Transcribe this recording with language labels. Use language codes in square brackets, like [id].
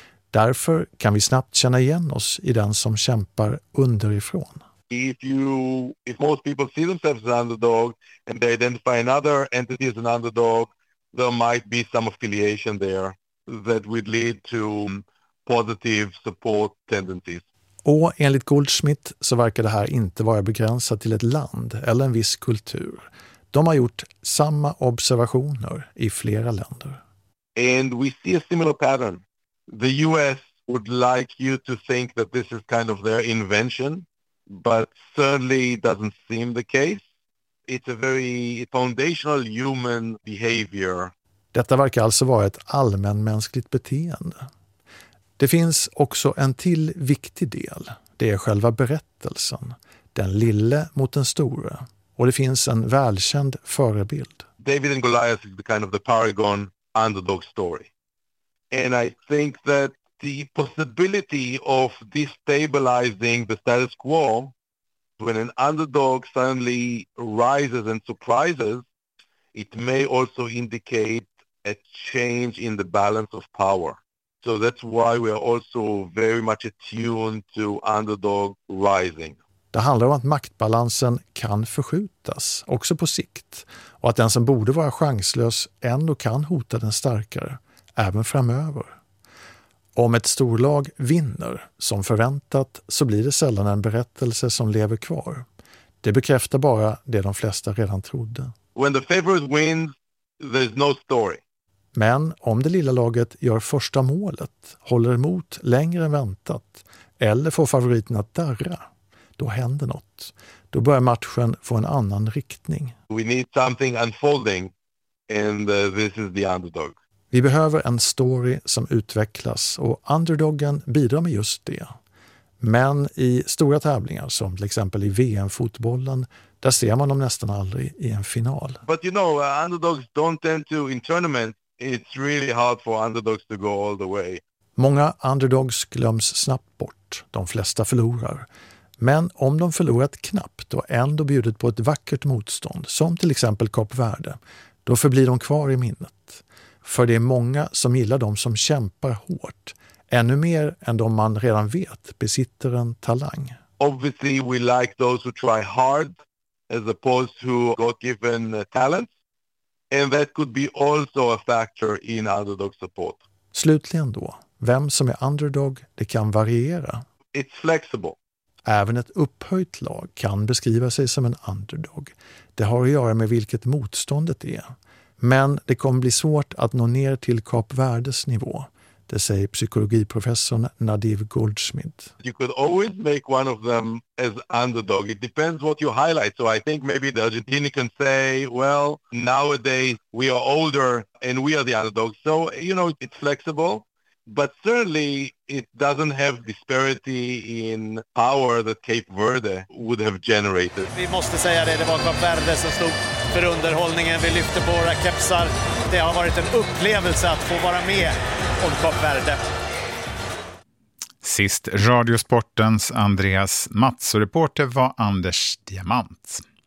[sv] Därför kan vi snabbt känna igen oss i den som kämpar underifrån. [en] If most people see themselves as an underdog and they identify another entity as an underdog, there might be some affiliation there that would lead to positive support tendencies. [sv] Och enligt Goldschmidt så verkar det här inte vara begränsat till ett land eller en viss kultur. De har gjort samma observationer i flera länder. [en] And we see a similar pattern. The US would like you to think that this is kind of their invention, but certainly doesn't seem the case. It's a very foundational human behavior. [sv] Detta verkar alltså vara ett allmänmänskligt beteende. Det finns också en till viktig del. Det är själva berättelsen. Den lille mot den stora. Och det finns en välkänd förebild. [en] David and Goliath is the kind of the paragon underdog story. And I think that the possibility of destabilizing the status quo when an underdog suddenly rises and surprises, it may also indicate a change in the balance of power. So that's why we are also very much attuned to underdog rising. [sv] Det handlar om att maktbalansen kan förskjutas, också på sikt, och att den som borde vara chanslös ändå kan hota den starkare, även framöver. Om ett storlag vinner, som förväntat, så blir det sällan en berättelse som lever kvar. Det bekräftar bara det de flesta redan trodde. [en] When the favorite wins, there's no story. [sv] Men om det lilla laget gör första målet, håller emot längre än väntat, eller får favoriten att darra, då händer något. Då börjar matchen få en annan riktning. [en] We need something unfolding and this is the underdog. [sv] Vi behöver en story som utvecklas och underdogen bidrar med just det. Men i stora tävlingar som till exempel i VM-fotbollen, där ser man dem nästan aldrig i en final. [en] But you know, underdogs don't tend to in tournament. It's really hard for underdogs to go all the way. [sv] Många underdogs glöms snabbt bort. De flesta förlorar. Men om de förlorat knappt och ändå bjudit på ett vackert motstånd, som till exempel Kap Verde, då förblir de kvar i minnet. För det är många som gillar de som kämpar hårt, ännu mer än de man redan vet besitter en talang. [en] Obviously we like those who try hard as opposed to got given talent. And that could be also a factor in underdog support. [sv] Slutligen då, vem som är underdog, det kan variera. [en] It's flexible. [sv] Även ett upphöjt lag kan beskriva sig som en underdog. Det har att göra med vilket motståndet är. Men det kommer bli svårt att nå ner till Kap Verdes nivå, det säger psykologiprofessorn Nadiv Goldschmidt. [en] You could always make one of them as underdog. It depends what you highlight. So I think maybe the Argentinian can say, well, nowadays we are older and we are the underdog. So, you know, it's flexible. But certainly it doesn't have disparity in power that Cape Verde would have generated. [sv] Vi måste säga det, det var Cape Verde som stod för underhållningen. Vi lyfter på våra kepsar. Det har varit en upplevelse att få vara med om Cape Verde. Sist Radiosportens Andreas Matsoreporter var Anders Diamant.